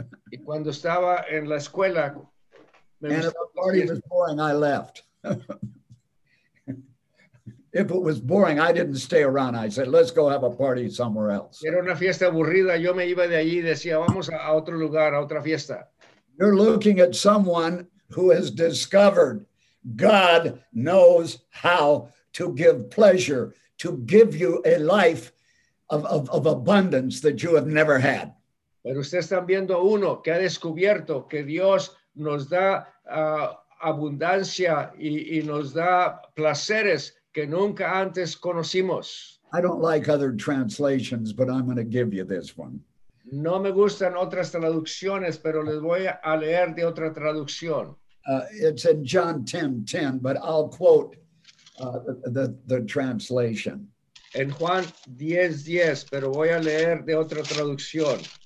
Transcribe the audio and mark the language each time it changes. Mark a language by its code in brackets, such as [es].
[es] Y cuando estaba en la escuela, [en] me and if a party was boring, I left. If it was boring, I didn't stay around. I said, let's go have a party somewhere else. [es] Era una fiesta aburrida. Yo me iba de allí y decía, vamos a otro lugar, a otra fiesta. [en] You're looking at someone who has discovered God knows how to give pleasure, to give you a life of abundance that you have never had. [es] Pero ustedes están viendo uno que ha descubierto que Dios nos da abundancia y nos da placeres que nunca antes conocimos. [en] I don't like other translations, but I'm going to give you this one. [es] No me gustan otras traducciones, pero les voy a leer de otra traducción. [en] It's in John 10:10, but I'll quote the translation. [es] En Juan 10:10, pero voy a leer de otra traducción.